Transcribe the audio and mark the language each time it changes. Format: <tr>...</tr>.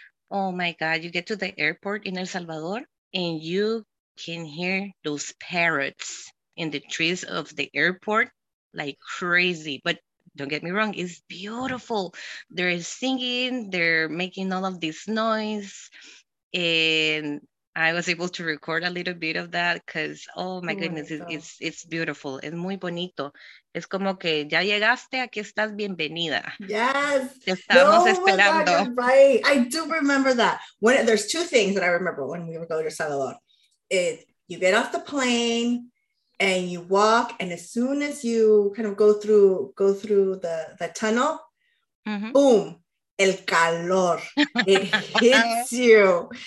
<en>Oh my God, you get to the airport in El Salvador and you can hear those parrots in the trees of the airport like crazy. But don't get me wrong, it's beautiful. They're singing, they're making all of this noise. And I was able to record a little bit of that because, oh my goodness, it's beautiful.</en> <es>It's muy bonito. Es como que ya llegaste, aquí estás bienvenida.</es> <en>Yes.</en> <es>Te estamos esperando.</es> <en>Oh my God, you're right. I do remember that. There's two things that I remember when we were going to Salvador. Is you get off the plane and you walk. And as soon as you kind of go through the tunnel, mm-hmm. boom,</en> <es>El calor,</es> <en>it hits you.</en>